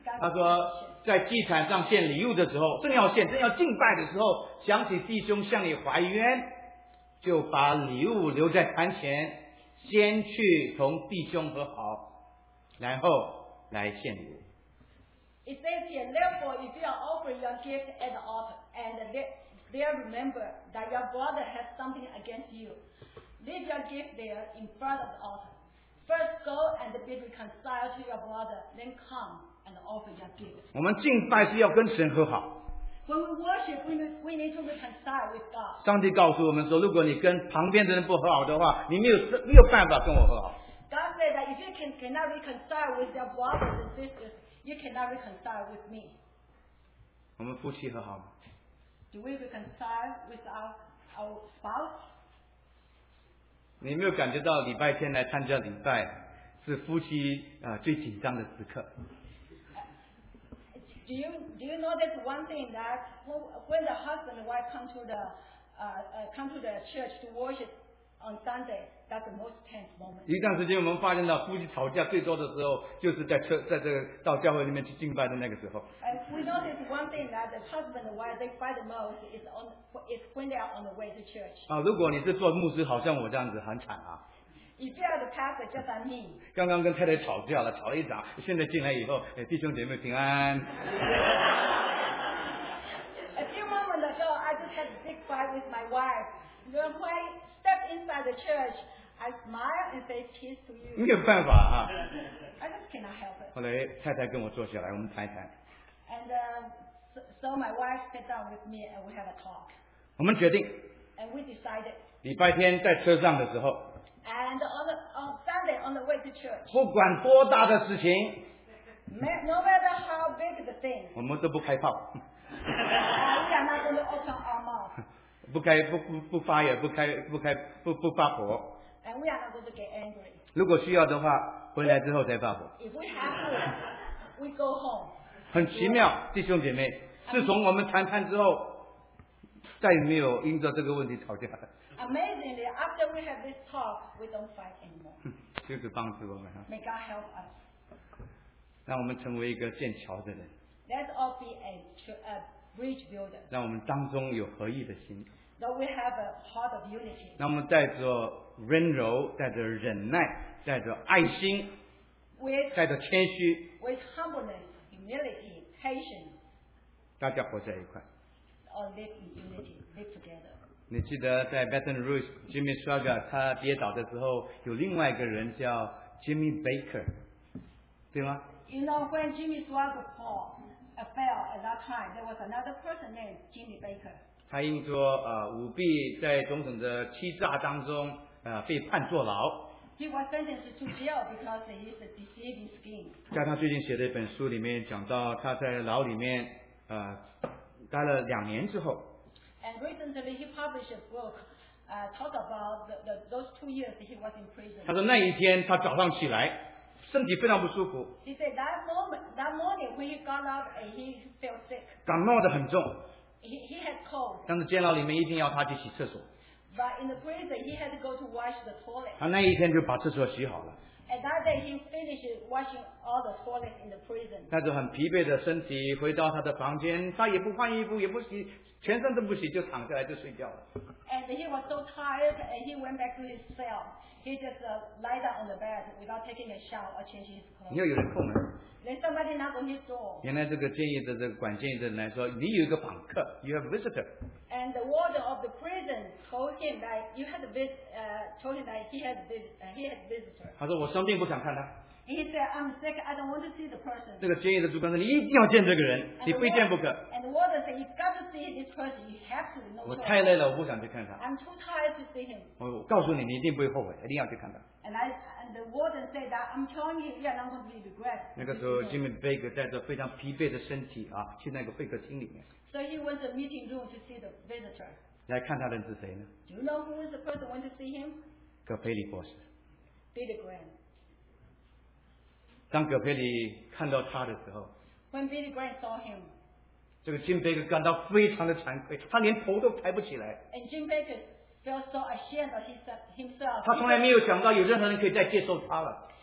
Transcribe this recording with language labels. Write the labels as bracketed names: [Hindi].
[Chinese] 他说，在祭坛上献礼物的时候，正要献、正要敬拜的时候，想起弟兄向你怀冤，就把礼物留在坛前，先去同弟兄和好，然后来献礼物。 [English] It says here, therefore, if you are offering your gift at the altar, and there remember that your brother has something against you, leave your gift there in front of the altar. First, go and be reconciled to your brother, then come. [Chinese] 我们敬拜是要跟神和好。 [English] When we worship, we need to reconcile with God. [Chinese] 上帝告诉我们说，如果你跟旁边的人不和好的话，你没有办法跟我和好。 [English] God said that if you cannot reconcile with your brothers and sisters, you cannot reconcile with me. [Chinese] 我们夫妻和好吗？ [English] Do we reconcile with our spouse? [Chinese] 你没有感觉到礼拜天来参加礼拜是夫妻最紧张的时刻？ [English] Do you notice one thing that when the husband and wife come to the church to worship on Sunday, that's the most tense moment. [Chinese] 一段时间我们发现到夫妻吵架最多的时候，就是到教会里面去敬拜的那个时候。 [English] And we notice one thing that the husband and wife they fight the most is when they are on the way to church. [Chinese] 啊，如果你是做牧师，好像我这样子很惨啊。 [English] If you are the pastor, just like me. [Chinese] 刚刚跟太太吵架了，吵了一掌。现在进来以后，弟兄姐妹平安。 [English] A few moments ago, I just had a big fight with my wife. When I stepped inside the church, I smile and say peace to you. [Chinese] 没有办法啊。 [English] I just cannot help it. [Chinese] 后来太太跟我坐下来，我们谈一谈。 [English] And so my wife sat down with me and we have a talk. [Chinese] 我们决定。 [English] And we decided. [Chinese] 礼拜天在车上的时候。 [English] And on Sunday on the way to church. [Chinese] 不管多大的事情。 [English] No matter how big the thing. [Chinese] 我们都不开炮。 [English] We are not going to open our mouth. [Chinese] 不开不发言，不发火。 [English] And we are not going to get angry. [Chinese] 如果需要的话，回来之后再发火。 [English] If we have to, we go home. [Chinese] 很奇妙，弟兄姐妹，自从我们谈判之后，再也没有因着这个问题吵架了。 [English] Amazingly, after we have this talk, we don't fight anymore. [Chinese] 就是帮助我们。 [English] May God help us. [Chinese] 让我们成为一个建桥的人。 [English] Let's all be a bridge builder. [Chinese] 让我们当中有合一的心。 [English] So we have a heart of unity. [Chinese] 那么带着温柔，带着忍耐，带着爱心， [English] with, [Chinese] 带着谦虚， [English] with humbleness, humility, patience. [Chinese] 大家活在一块。 [English] All live in unity, live together. [Chinese] 你记得在 Baton Rouge, Jimmy Swagger 他跌倒的时候，有另外一个人叫 Jimmy Baker, 对吗？ [English] You know when Jimmy Swagger fall, fell at that time, there was another person named Jimmy Baker. [Chinese] 他因说舞弊在总统的欺诈当中被判坐牢。 [English] He was sentenced to jail because he is a deceiving scheme. [Chinese] 在他最近写的一本书里面讲到他在牢里面待了两年之后。 [English] And recently he published a book, talked about those 2 years he was in prison. [Chinese] 他说那一天他早上起来身体非常不舒服。 [English] He said that morning when he got up, he felt sick. [Chinese] 感冒得很重。 [English] He had cold. [Chinese] 但是监牢里面一定要他去洗厕所。 [English] But in the prison, he had to go to wash the toilet. [Chinese] 他那一天就把厕所洗好了。 [English] And that day, he finished washing all the toilets in the prison. [Chinese] 带着很疲惫的身体回到他的房间，他也不换衣服，也不洗，全身都不洗，就躺下来就睡觉了。 [English] And he was so tired, and he went back to his cell. He just lay down on the bed without taking a shower or changing his clothes. [Chinese] 又有人叩门。 [English] Then somebody knocked on his door. [Chinese] 原来这个监狱的这个管监狱的人来说，你有一个访客 ， [English] you have visitor. And the warden of the prison told him that you had vis, told him that he had visitor. [Chinese] 他说我生病不想看他。 [English] He said I'm sick, I don't want to see the person. [Chinese] 这个监狱的主管说你一定要见这个人， [English] and、 [Chinese] 你非见不可。 [English] And the warden said you've got to see this person, you have to know. [Chinese] 我太累了，我不想去看他。 [English] I'm too tired to see him. [Chinese] 我告诉你，你一定不会后悔，一定要去看他。 [English] And the warden said that I'm telling you, you're not going to be regret. [Chinese] 那个时候 ，Jimmy Baker 带着非常疲惫的身体啊，去那个会客厅里面。 [English] So he went to the meeting room to see the visitor. [Chinese] 来看他的人是谁呢 [English] ？Do you know who was the person went to see him? [Chinese] 葛培里博士。 [English] Billy Graham. [Chinese] 当葛培里看到他的时候 [English] ，When Billy Graham saw him. [Chinese] 这个 Jim Baker 感到非常的惭愧，他连头都抬不起来。 [English] And Jim Baker. Feel so ashamed of himself. [Chinese] 他从来没有想到有任何人可以再接受他了。